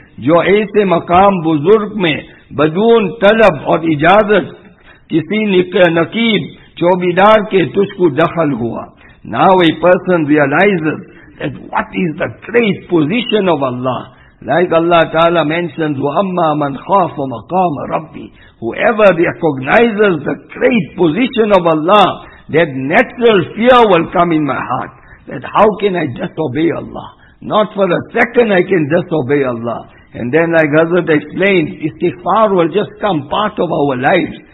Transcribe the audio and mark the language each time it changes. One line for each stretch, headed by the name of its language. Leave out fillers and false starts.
Urdu: جو ایسے مقام بزرگ میں بدون طلب اور اجازت کسی نقیب چوبیدار کے تجھ کو دخل ہوا.
English: Now a person realizes that what is the great position of Allah. Like Allah Ta'ala mentions,
Arabic: وَأَمَّا مَنْ خَافُ مَقَامَ رَبِّ.
English: Whoever recognizes the great position of Allah, that natural fear will come in my heart. That how can I disobey Allah? Not for a second I can disobey Allah. And then like Hazrat explained, istighfar will just come part of our lives.